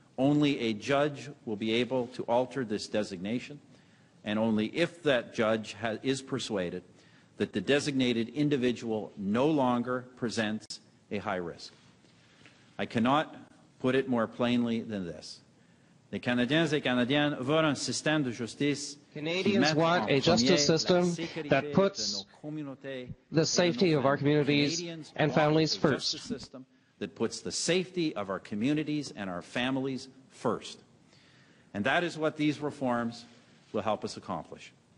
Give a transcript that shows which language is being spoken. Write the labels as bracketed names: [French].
[English] Only a judge will be able to alter this designation, and only if that judge is persuaded that the designated individual no longer presents a high risk. I cannot put it more plainly than this. [French] Les Canadiens et Canadiennes veulent un système de justice. [English] Canadians want a justice system that puts the safety of our communities and families first. That puts the safety of our communities and our families first. And that is what these reforms will help us accomplish.